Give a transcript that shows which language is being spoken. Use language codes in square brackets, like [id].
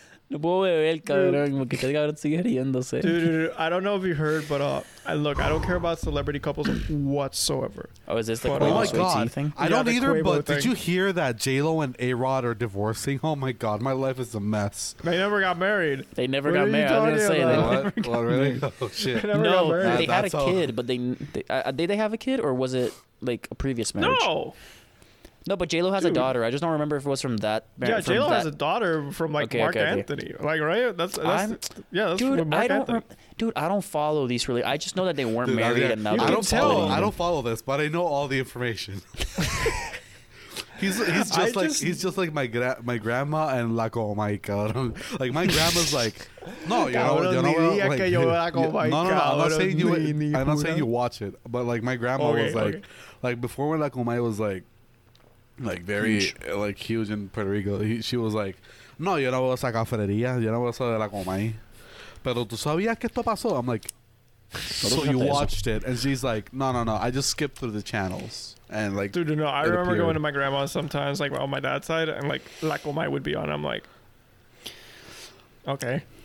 [es] No puedo beber, cabrón, porque el cabrón sigue riéndose. [en] Dude, I don't know if you heard, but look, I don't care about celebrity couples whatsoever. Oh, is this the Quavo Sweet Tea thing? I don't either, but did you hear that J-Lo and A-Rod are divorcing? Oh my god, my life is a mess. They never got married. They never got married. I was going to say that. What, really? Oh, shit. No, they had a kid, but did they have a kid, or was it, like, a previous marriage? No! No, but J-Lo has a daughter. I just don't remember if it was from that. Yeah, J-Lo has a daughter from like Mark Anthony. Like, right? Dude, I don't follow these really. I just know that they weren't married and now they're following. I don't follow this, but I know all the information. he's just like my grandma and La Comica. Like, my grandma's like, no, I'm not saying you watch it, but like my grandma was like before when La Comica was like very huge in Puerto Rico, she was like, [es] No, yo no voy a esa cafetería. Yo no voy a esa de la coma ahí. Pero tú sabías que esto pasó. [en] I'm like, so you watched it. And she's like, no, no, no. I just skipped through the channels. And like, dude, no, I remember going to my grandma sometimes, like on my dad's side, and like La Comay would be on. I'm like, okay.